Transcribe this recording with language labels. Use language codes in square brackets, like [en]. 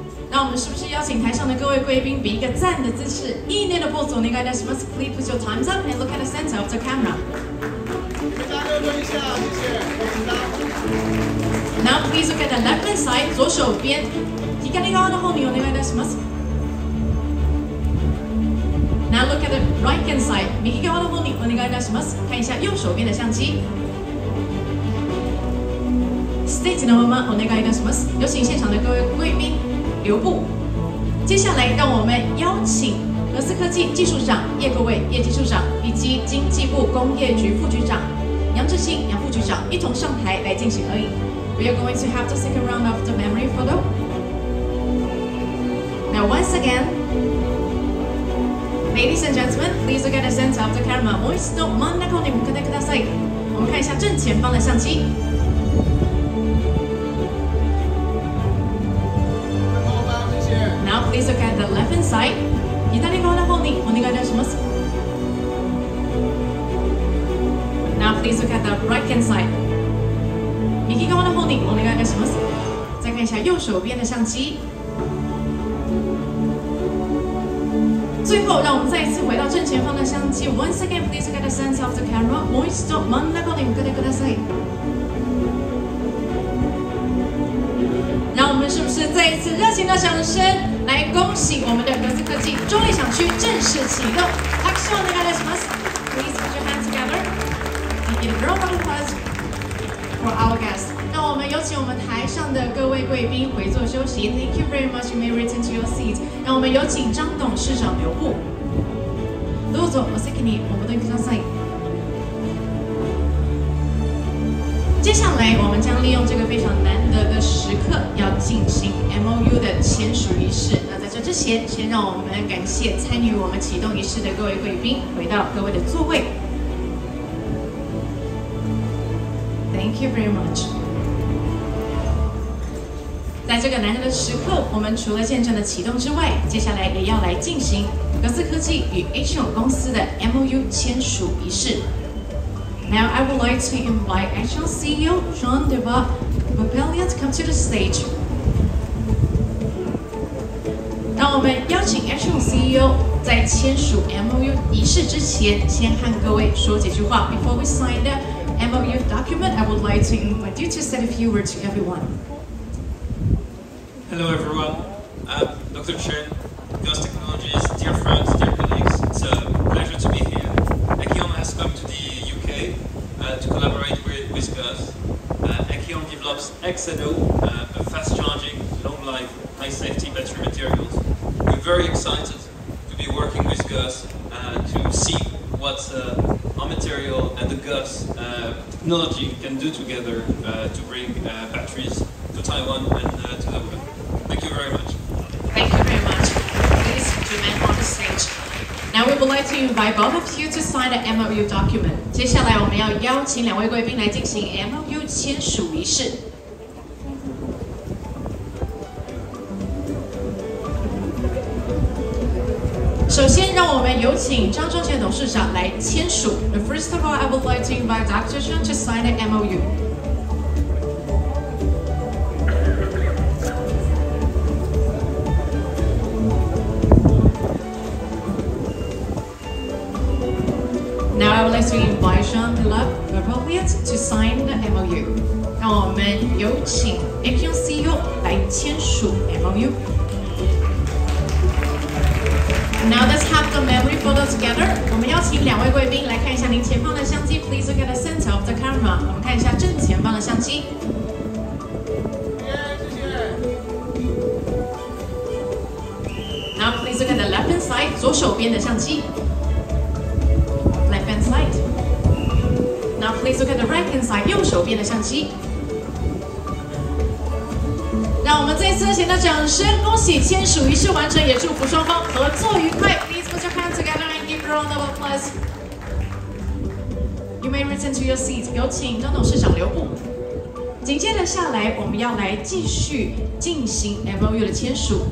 [zh] 那我们是不是邀请台上的各位贵宾比一个赞的姿势？意念的 pose， 你该叫什么 [en] ？Please put your thumbs up and look at the center of the camera。 [zh] 大家热一下，谢谢，我知道。 [en] Now please look at the left hand side， [zh] 左手边。 [ja] 左側の方にお願いいたします。 [en] Now look at the right hand side， [ja] 右側の方にお願いいたします。 [zh] 看一下右手边的相机。 [ja] ステージのままお願いいたします。 [zh] 有请现场的各位贵宾。留步，接下来让我们邀请格斯科技技术长叶克伟叶技术长以及经济部工业局副局长杨志兴杨副局长一同上台来进行合影。 [en] We are going to have the second round of the memory photo. Now once again, ladies and gentlemen, please look at the center of the camera. [ja] もう一度真ん中に向けてください。 [zh] 我们看一下正前方的相机。 [en] Please look at the left hand side. [ja] 左側の方にお願いいたします。 [en] Now please look at the right hand side. [ja] 右側の方にお願いいたします。 [zh] 再看一下右手边的相机。最后，让我们再一次回到正前方的相机。 [en] Once again, please look at the center of the camera. [ja] もう一度真ん中に向けてください。 [zh] 让我们是不是再一次热情的掌声？来恭喜我们的格斯科技终于想去正式启动， [ja] 拍手お願いします。 [en] Please put your hands together and give a round of applause for our guests。 [zh] 那我们有请我们台上的各位贵宾回座休息。 [en] Thank you very much. You may return to your seat。 [zh] 那我们有请张董事长留步。 [ja] どうぞお席にお戻りください。 [zh] 接下来我们将利用这个非常难得的时刻要进行 MOU 的签署仪式。那在这之前，先让我们感谢参与我们启动仪式的各位贵宾，回到各位的座位。 [en] Thank you very much。 [zh] 在这个难得的时刻，我们除了见证了启动之外，接下来也要来进行格斯科技与 Action 公司的 MOU 签署仪式。 [en] Now I would like to invite Action CEO Jean Dubois Papillion to come to the stage. [zh] 那我们邀请 Action CEO 在签署 MOU 仪式之前，先和各位说几句话。 [en] Before we sign the MOU document, I would like to invite you to say a few words to everyone. Hello everyone, I'm Dr. Chen, Gust Technologies, dear friends, dear colleagues. It's a pleasure to be here. Akion has come to the UK. To collaborate with GERS. Akion develops Exado, a fast charging, long life, high safety battery materials. We're very excited to be working with GERS to see what our material and the GERS technology can do together to bring batteries to Taiwan and to the world. Thank you very much. Thank you very much. Please remain on the stage. Now we would like to invite both of you to sign the MOU document. [zh] 接下来我们要邀请两位贵宾来进行 MOU 签署仪式。首先，让我们有请张忠全董事长来签署。 [en] First of all, I would like to invite Dr. Chen to sign the MOU. Now I would like to invite Jean Dubois Papillion to sign the MOU. [zh] 让我们有请 Action CEO 来签署 MOU. [en] Now let's have the memory photo together. [zh] 我们邀请两位贵宾来看一下您前方的相机。 [en] Please look at the center of the camera. [zh] 我们看一下正前方的相机。谢谢。 [en] Now please look at the left hand side, [zh] 左手边的相机。 [en] Now please look at the right hand side, [zh] 右手边的相机。让我们再次热情的掌声，恭喜签署仪式完成，也祝福双方合作愉快。 [en] Please put your hands together and give a round of applause. You may return to your seat. [zh] 有请张董事长留步。紧接着下来，我们要来继续进行 MOU 的签署。